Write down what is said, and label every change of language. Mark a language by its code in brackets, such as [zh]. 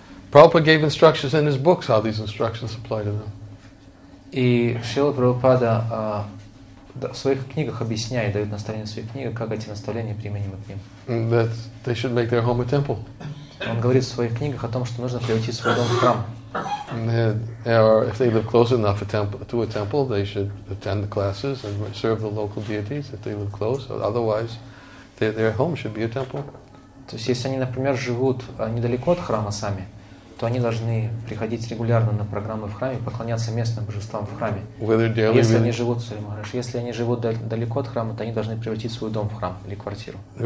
[en] Prabhupada gave instructions in his books how these instructions apply to them. [ru] И Шрила Прабхупада в своих книгах объясняет, дает наставления в своих книгах, как эти наставления применимы к ним. [en] That they should make their home a temple. [ru] Он говорит в своих книгах о том, что нужно превратить свой дом в храм. [en] Or if they live close enough to a temple, they should attend the classes and serve the local deities if they live close. Otherwise, their home should be a temple. [ru] То есть, если они, например, живут недалеко от храма сами, то они должны приходить регулярно на программы в храме, поклоняться местным божествам в храме. Если они живут далеко от храма, то они должны превратить свой дом в храм или квартиру.